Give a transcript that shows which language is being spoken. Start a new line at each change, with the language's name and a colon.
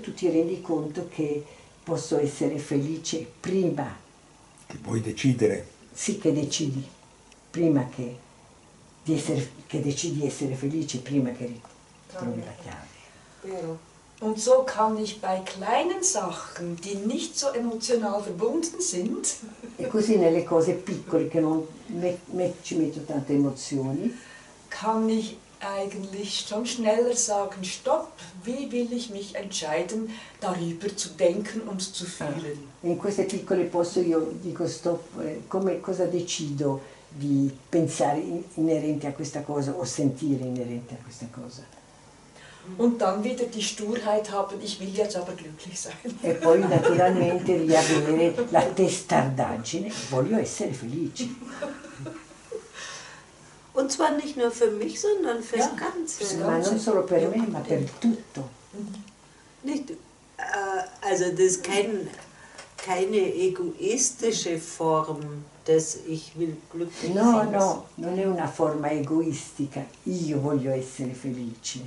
Italian: tu ti rendi conto che posso essere felice prima. Che puoi decidere. Sì, che decidi. Prima che di essere, che decidi essere felice prima che ritrovi la chiave. Vero.
German: Und so kann ich bei kleinen Sachen, die nicht so emotional verbunden sind.
Italian: E così nelle cose piccole che non ci metto tante emozioni.
German: Kann ich eigentlich schon schneller sagen, stopp, wie will ich mich entscheiden, darüber zu denken und zu fühlen?
Italian: In queste piccole posso io dico stop, come cosa decido di pensare inerente a questa cosa o sentire inerente a questa cosa?
German: Und dann wieder die Sturheit haben, ich will jetzt aber glücklich sein.
Italian: E poi naturalmente riavere la testardaggine, voglio essere felice.
German: Und zwar nicht nur für mich, sondern für das Ganze.
Italian: Ma non solo per me, ma per tutto.
German: Nicht, Also das ist keine egoistische Form, dass ich will glücklich sein.
Italian: No, non è una forma egoistica. Io voglio essere felice.